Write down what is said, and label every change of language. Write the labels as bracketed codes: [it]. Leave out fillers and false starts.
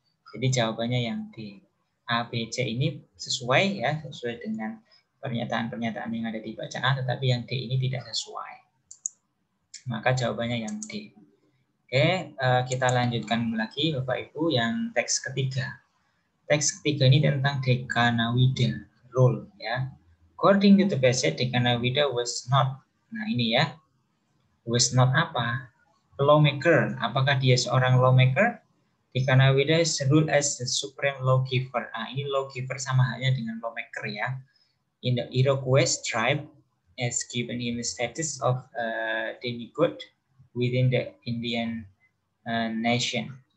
[id] Jadi jawabannya yang D. A, B, C ini sesuai ya, sesuai dengan pernyataan-pernyataan yang ada di bacaan, tetapi yang D ini tidak sesuai. Maka jawabannya yang D. Oke, kita lanjutkan lagi Bapak Ibu yang teks ketiga. Teks ketiga ini tentang Dekana Wida role ya. [en] According to the passage, Dekana Wida was not. [id] Nah, ini ya. Was not apa? Lawmaker. Apakah dia seorang lawmaker? [en] Dekana Wida is ruled as the supreme lawgiver. [id] Ah, ini lawgiver sama halnya dengan lawmaker ya. [en] In the Iroquois tribe, has given him the status of demigod within the Indian nation.